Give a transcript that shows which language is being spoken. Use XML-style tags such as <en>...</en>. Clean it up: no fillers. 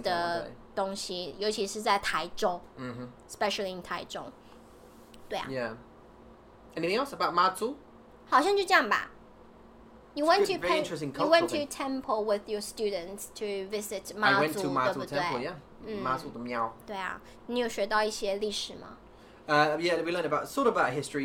<zh>的东西，尤其是在台中。嗯哼</zh> <en>，especially in 台中。</en> <zh>对啊。</zh> <en>Yeah. Anything else about 妈祖？</en> <zh>好像就这样吧。</zh> <en>You went good, to pay, you went to temple with your students to visit 妈祖， I went to</en> <zh>对不对？</zh> <en>Temple, yeah.</en> <zh>嗯，妈祖的庙。对啊，你有学到一些历史吗？</zh> <en>Yeah, we learned about sort of about history.</en>